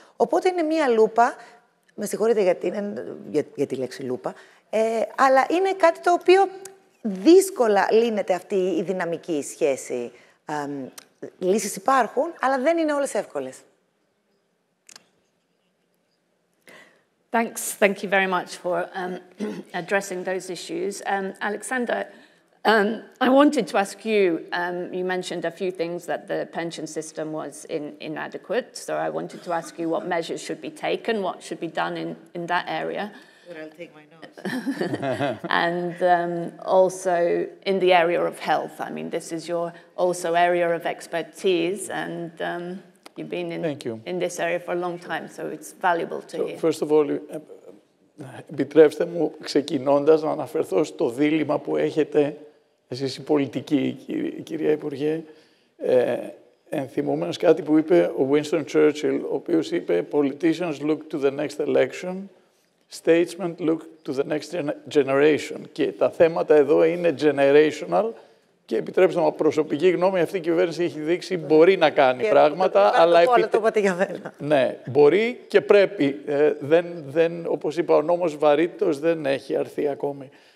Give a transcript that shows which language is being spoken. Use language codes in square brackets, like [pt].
[el] Οπότε είναι μία λούπα, με συγχωρείτε για τη λέξη λούπα, αλλά είναι κάτι το οποίο δύσκολα λύνεται αυτή η δυναμική σχέση. Λύσεις υπάρχουν, αλλά δεν είναι όλες εύκολες. [en] Thanks. Thank you very much for addressing those issues. Alexander, I wanted to ask you, you mentioned a few things that the pension system was inadequate, so I wanted to ask you what measures should be taken, what should be done in that area. I'll take my notes. And also in the area of health. I mean, this is your also area of expertise, and you've been in this area for a long time, so it's valuable to hear. First of all, [el] επιτρέψτε μου, ξεκινώντας, να αναφερθώ στο δίλημα που έχετε εσείς οι πολιτικοί, κυρία Υπουργέ, ενθυμούμενος κάτι που είπε ο Winston Churchill, ο οποίος είπε [en] «Politicians look to the next election». Statesmen look to the next generation. [el] Και τα θέματα εδώ είναι generational. Και επιτρέψτε μου, προσωπική γνώμη, αυτή η κυβέρνηση έχει δείξει μπορεί να κάνει πράγματα. Ναι, μπορεί και πρέπει. Όπως είπα, ο νόμος βαρύτητος δεν έχει αρθεί ακόμη.